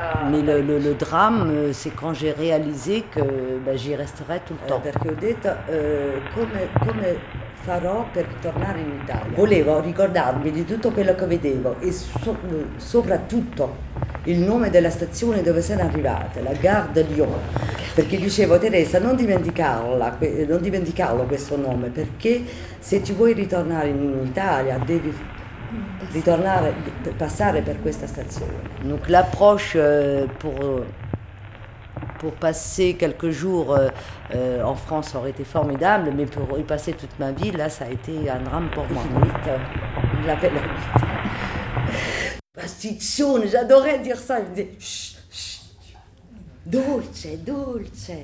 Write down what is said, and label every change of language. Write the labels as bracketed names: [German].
[French] Mais le drame, c'est quand j'ai réalisé que j'y resterai tout le temps. Parce que j'ai dit, [Italian] comment farò per tornare in Italia? Volevo ricordarmi di tutto quello che vedevo e soprattutto il nome della stazione dove sono arrivata, la Gare de Lyon. Perché dicevo, Teresa, non dimenticarlo questo nome, perché se ti vuoi ritornare in Italia devi... ritornare, passare per questa stazione. [French] Donc l'approche pour passer quelques jours en France aurait été formidable, mais pour y passer toute ma vie, là, ça a été un drame pour moi. [Italian] Finita, la bella vita. [French] Bastizione, j'adorais dire ça, je disais, [Italian] dolce, dolce.